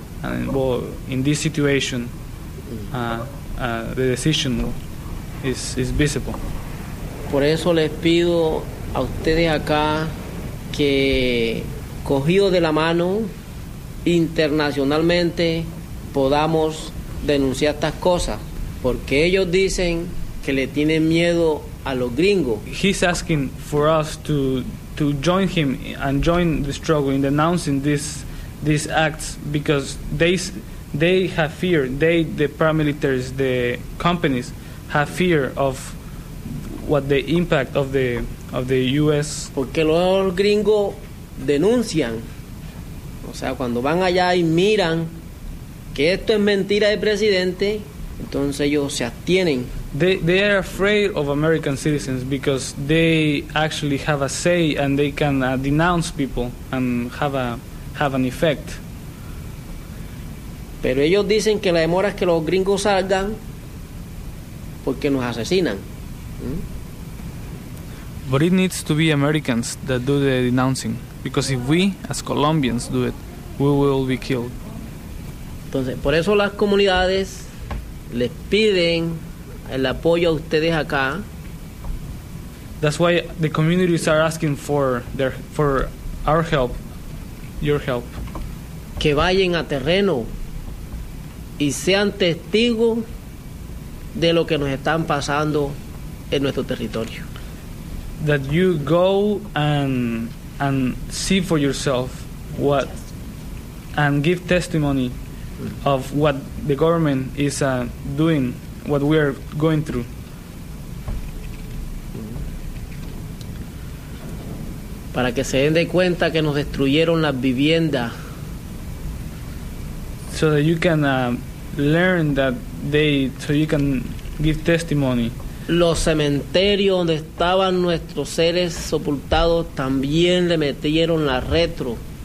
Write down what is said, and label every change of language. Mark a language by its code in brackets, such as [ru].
[en] And well, in this situation, the decision is visible. [es] Por eso les pido a ustedes acá que cogido de la mano internacionalmente podamos denunciar estas cosas porque ellos dicen que le tienen miedo a los gringos. [en] He's asking for us to join him and join the struggle in denouncing these acts because they have fear, the paramilitaries, the companies have fear of what the impact of the US. [es] Porque los gringos denuncian, o sea, cuando van allá y miran que esto es mentira del presidente, entonces ellos se abstienen. [en] They are afraid of American citizens because they actually have a say and they can denounce people and have an effect. [es] Pero ellos dicen que la demora es que los gringos salgan porque nos asesinan. [en] But it needs to be Americans that do the denouncing because if we, as Colombians, do it, we will be killed. [es] Entonces, por eso las comunidades les piden el apoyo a ustedes acá. [en] That's why the communities are asking for our help, your help. [es] que vayan a terreno y sean testigos de lo que nos están pasando en nuestro territorio. [en] That you go and see for yourself what and give testimony of what the government is doing, what we are going through. [es] Para que se den de cuenta que nos destruyeron las viviendas. [en] So that you can learn that they, so you can give testimony. [es] Los cementerios donde estaban nuestros seres sepultados también le metieron la retro.